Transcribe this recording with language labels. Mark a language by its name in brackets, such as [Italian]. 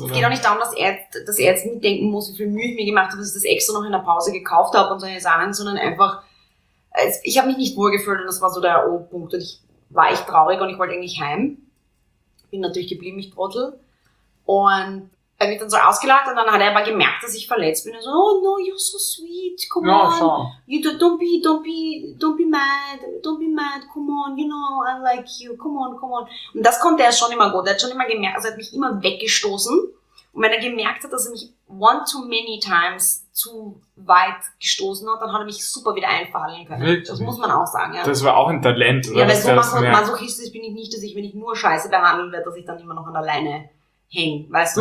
[German] Oder? Es geht auch nicht darum, dass er jetzt nicht denken muss, wie viel Mühe ich mir gemacht habe, dass ich das extra noch in der Pause gekauft habe und solche Sachen, sondern einfach, ich habe mich nicht wohlgefühlt und das war so der O-Punkt und ich war echt traurig und ich wollte eigentlich heim. Bin natürlich geblieben, ich Trottel. Und er wird dann so ausgelacht und dann hat er aber gemerkt, dass ich verletzt bin. Und so, [English] oh no, you're so sweet, come on. Sure. You don't be mad, come on, you know, I like you, come on. [German] Und das konnte er schon immer gut. Er hat schon immer gemerkt, also er hat mich immer weggestoßen. Und wenn er gemerkt hat, dass er mich [English] one too many times [German] zu weit gestoßen hat, dann hat er mich super wieder einfallen können. Wirklich? Das muss man auch sagen, ja. Das war auch ein Talent, oder? Ja, weil so masochistisch bin ich nicht, dass ich, wenn ich nur scheiße behandeln werde, dass ich dann immer noch an der Leine hängen, weißt du?